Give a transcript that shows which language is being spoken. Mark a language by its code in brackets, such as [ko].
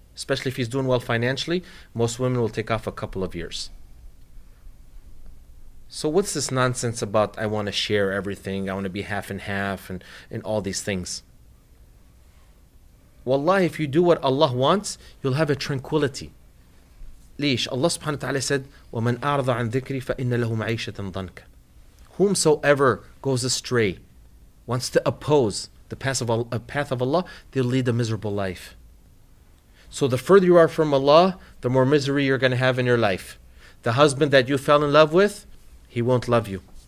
[en] Especially if he's doing well financially, most women will take off a couple of years. So what's this nonsense about, I want to share everything, I want to be half and half, and all these things? Wallahi, if you do what Allah wants, you'll have a tranquility. Leesh, Allah subhanahu wa ta'ala said, [ar] وَمَنْ أَعْرَضَ عَنْ ذِكْرِ فَإِنَّ لَهُ مَعِيشَةً ضَنْكَ. [en] Whomsoever goes astray, wants to oppose the path of Allah, they'll lead a miserable life. So the further you are from Allah, the more misery you're going to have in your life. The husband that you fell in love with, he won't love you.